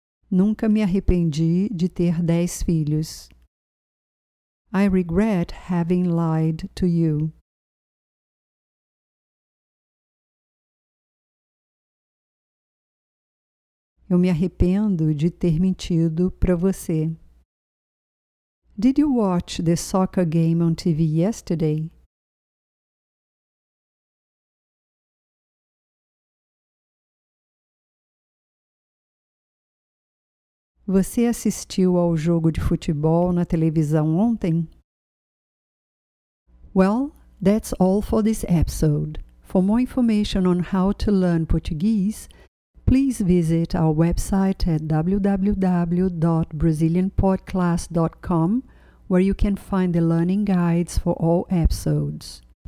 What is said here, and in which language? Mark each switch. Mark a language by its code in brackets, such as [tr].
[pt] Nunca me arrependi de ter 10 filhos. [en] I regret having lied to you. [pt] Eu me arrependo de ter mentido para você. [en] Did you watch the soccer game on TV yesterday? [pt] Você assistiu ao jogo de futebol na televisão ontem? [en] Well, that's all for this episode. For more information on how to learn Portuguese, please visit our website at www.brazilianpodclass.com, where you can find the learning guides for all episodes.